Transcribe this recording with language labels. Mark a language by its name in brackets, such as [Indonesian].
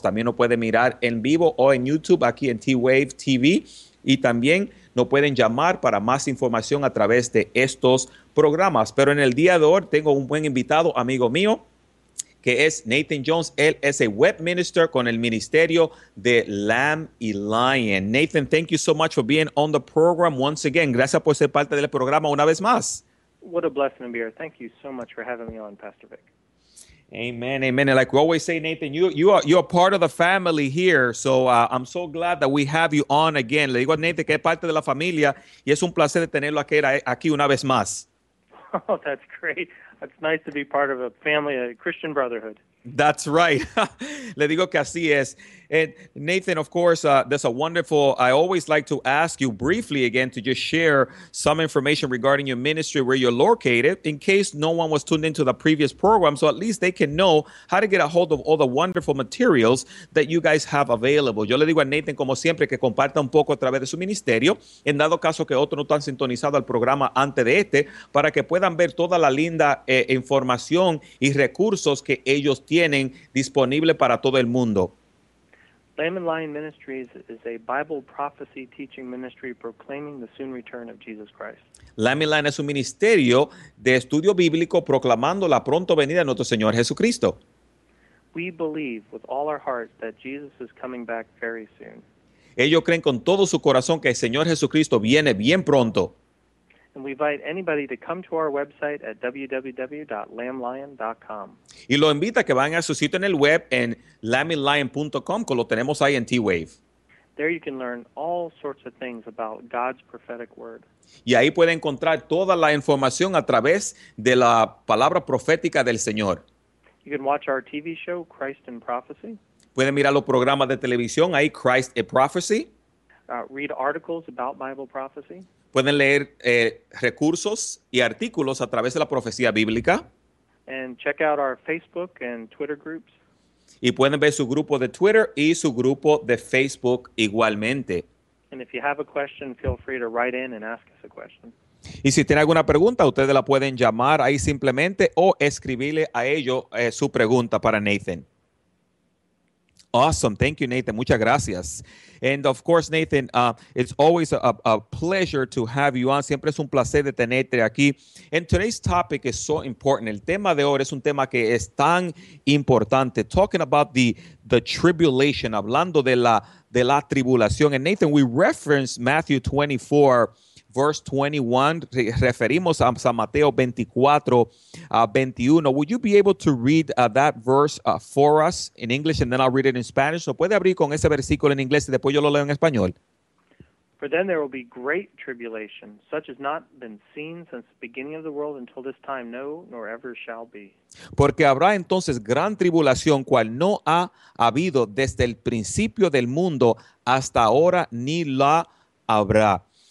[Spanish] También nos pueden mirar en vivo o en YouTube aquí en T-Wave TV. Y también nos pueden llamar para más información a través de estos programas. Pero en el día de hoy tengo un buen invitado, amigo mío, que es Nathan Jones. Él es [English] a web minister [Spanish] con el Ministerio de Lamb y Lion. [English] Nathan, thank you so much for being on the program once again. [Spanish] Gracias por ser parte del programa una vez más. [English] What a blessing to be here. Thank you so much for having me on, Pastor Vic. Amen, amen. And like we always say, Nathan, you are part of the family here. So I'm so glad that we have you on again. [Spanish] Le digo a Nathan que es parte de la familia y es un placer tenerlo aquí una vez más. [English] Oh, that's great. It's nice to be part of a family, a Christian brotherhood. That's right. [Spanish] Le digo que así es. [English] And Nathan, of course, that's a wonderful. I always like to ask you briefly again to just share some information regarding your ministry, where you're located, in case no one was tuned into the previous program, so at least they can know how to get a hold of all the wonderful materials that you guys have available. [Spanish] Yo le digo a Nathan, como siempre, que comparta un poco a través de su ministerio, en dado caso que otros no están sintonizados al programa antes de este, para que puedan ver toda la linda información y recursos que ellos tienen disponible para todo el mundo. [English] Lamb and Lion Ministries is a Bible prophecy teaching ministry proclaiming the soon return of Jesus Christ. [Spanish] Lamb and Lion es un ministerio de estudio bíblico proclamando la pronto venida de nuestro Señor Jesucristo. [English] We believe with all our hearts that Jesus is coming back very soon. [Spanish] Ellos creen con todo su corazón que el Señor Jesucristo viene bien pronto. [English] And we invite anybody to come to our website at www.lamblion.com. [Spanish] Y lo invita a que vayan a su sitio en el web en lamblion.com, que lo tenemos ahí en T-Wave. [English] There you can learn all sorts of things about God's prophetic word. [Spanish] Y ahí puede encontrar toda la información a través de la palabra profética del Señor. [English] You can watch our TV show, Christ and Prophecy. [Spanish] Pueden mirar los programas de televisión ahí, Christ and Prophecy. [English] Read articles about Bible prophecy. [Spanish] Pueden leer recursos y artículos a través de la profecía bíblica. [English] And check out our Facebook and Twitter groups. [Spanish] Y pueden ver su grupo de Twitter y su grupo de Facebook igualmente. [English] And if you have a question, feel free to write in and ask us a question. [Spanish] Y si tiene alguna pregunta, ustedes la pueden llamar ahí simplemente o escribirle a ellos su pregunta para Nathan. [English] Awesome. Thank you, Nathan. [Spanish] Muchas gracias. [English] And of course, Nathan, it's always a pleasure to have you on. [Spanish] Siempre es un placer de tenerte aquí. [English] And today's topic is so important. [Spanish] El tema de hoy es un tema que es tan importante. [English] Talking about the tribulation, [Spanish] hablando de la tribulación. [English] And Nathan, we reference Matthew 24, verse 21. [Spanish] Referimos a San Mateo 24, 21. [English] Would you be able to read that verse for us in English, and then I'll read it in Spanish? [Spanish] So puede abrir con ese versículo en inglés y después yo lo leo en español. [English] For then there will be great tribulation, such as not been seen since the beginning of the world until this time, no, nor ever shall be. [Spanish] Porque habrá entonces gran tribulación, cual no ha habido desde el principio del mundo hasta ahora, ni la habrá.